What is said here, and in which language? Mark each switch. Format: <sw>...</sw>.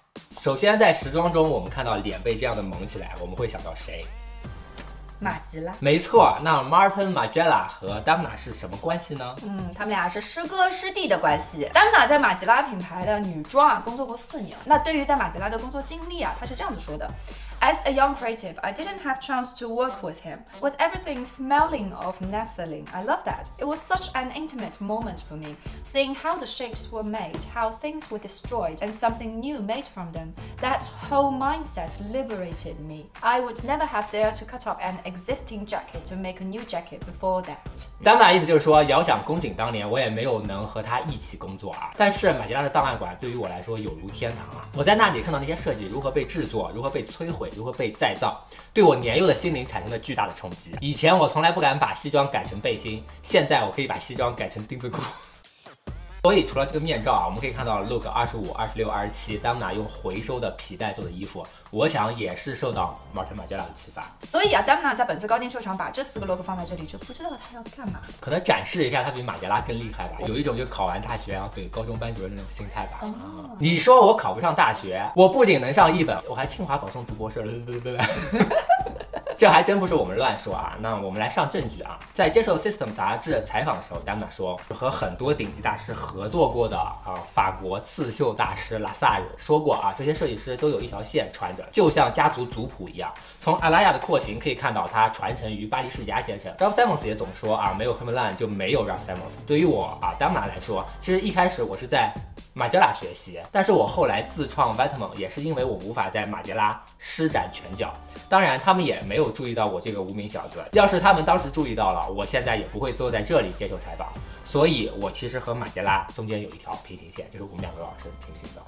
<zh>首先，在时装中，我们看到脸被这样的蒙起来，我们会想到谁？马吉拉，没错。那 Martin Margiela 和 Damna 是什么关系呢？他们俩是师哥师弟的关系。Damna 在马吉拉品牌的女装啊工作过4年。那对于在马吉拉的工作经历啊，他是这样子说的。</zh> <en>As a young creative, I didn't have chance to work with him. With everything smelling of naphthalene, I love that. It was such an intimate moment for me, seeing how the shapes were made, how things were destroyed, and something new made from them. That whole mindset liberated me. I would never have dared to cut up an existing jacket to make a new jacket before that.</en> <zh>当然意思就是说，遥想宫颈当年，我也没有能和他一起工作啊。但是马吉拉的档案馆对于我来说有如天堂啊。我在那里看到那些设计如何被制作，如何被摧毁。如何被再造，对我年幼的心灵产生了巨大的冲击。以前我从来不敢把西装改成背心，现在我可以把西装改成丁字裤。所以除了这个面罩啊，我们可以看到 look 25、26、27 Damna 用回收的皮带做的衣服，我想也是受到 Martin Margiela 的启发。所以啊， Damna 在本次高定秀场把这四个 look 放在这里，就不知道他要干嘛，可能展示一下他比马杰拉更厉害吧，有一种就考完大学然后怼高中班主任那种心态吧。你说我考不上大学，我不仅能上一本，我还清华保送读博士，这还真不是我们乱说啊。那我们来上证据啊。在接受 System 杂志采访的时候， Damna 说和很多顶级大师合作过的啊，法国刺绣大师 Lasalle 说过啊，这些设计师都有一条线穿着，就像家族族谱一样。从 Alaya 的廓形可以看到它传承于巴黎世家先生。 Ralph Simons 也总说啊，没有 Homeland 就没有 Ralph Simons。对于我啊， Damna 来说，其实一开始我是在马杰拉学习，但是我后来自创 Vetements 也是因为我无法在马杰拉施展拳脚，当然他们也没有注意到我这个无名小子，要是他们当时注意到了，我现在也不会坐在这里接受采访。所以我其实和马杰拉中间有一条平行线，就是我们两个老师平行的。</zh>